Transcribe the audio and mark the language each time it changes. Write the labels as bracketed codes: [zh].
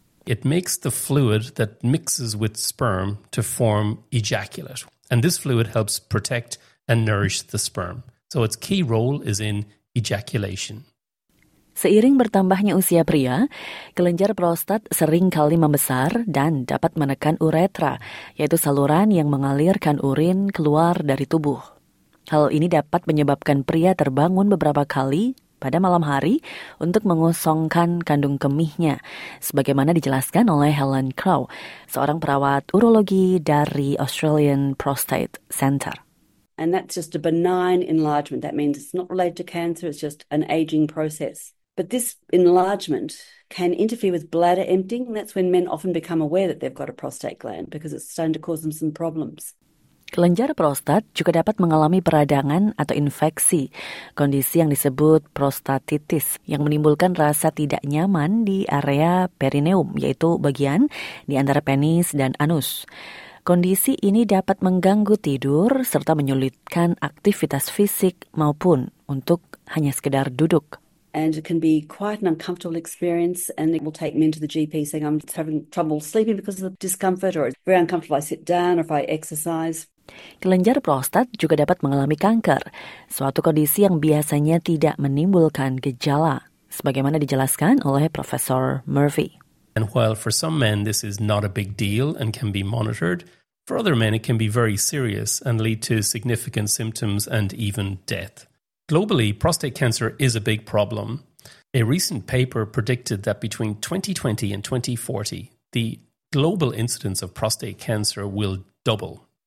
[en] It makes the fluid that mixes with sperm to form ejaculate. And this fluid helps protect and nourish the sperm. So its key role is in ejaculation. [id] Seiring bertambahnya usia pria, kelenjar prostat sering kali membesar dan dapat menekan uretra, yaitu saluran yang mengalirkan urin keluar dari tubuh. Hal ini dapat menyebabkan pria terbangun beberapa kali pada malam hari untuk mengosongkan kandung kemihnya, sebagaimana dijelaskan oleh Helen Crow, seorang perawat urologi dari Australian Prostate Center. [en] And that's just a benign enlargement. That means it's not related to cancer, it's just an aging process. But this enlargement can interfere with bladder emptying. That's when men often become aware that they've got a prostate gland because it's starting to cause them some problems. [id] Kelenjar prostat juga dapat mengalami peradangan atau infeksi, kondisi yang disebut prostatitis, yang menimbulkan rasa tidak nyaman di area perineum, yaitu bagian di antara penis dan anus. Kondisi ini dapat mengganggu tidur serta menyulitkan aktivitas fisik maupun untuk hanya sekedar duduk. [en] And it can be quite an uncomfortable experience, and it will take men to the GP saying I'm having trouble sleeping because of the discomfort, or it's very uncomfortable if I sit down or if I exercise. [id] Kelenjar prostat juga dapat mengalami kanker, suatu kondisi yang biasanya tidak menimbulkan gejala, sebagaimana dijelaskan oleh Profesor Murphy. [en] And while for some men this is not a big deal and can be monitored, for other men it can be very serious and lead to significant symptoms and even death. Globally, prostate cancer is a big problem. A recent paper predicted that between 2020 and 2040, the global incidence of prostate cancer will double.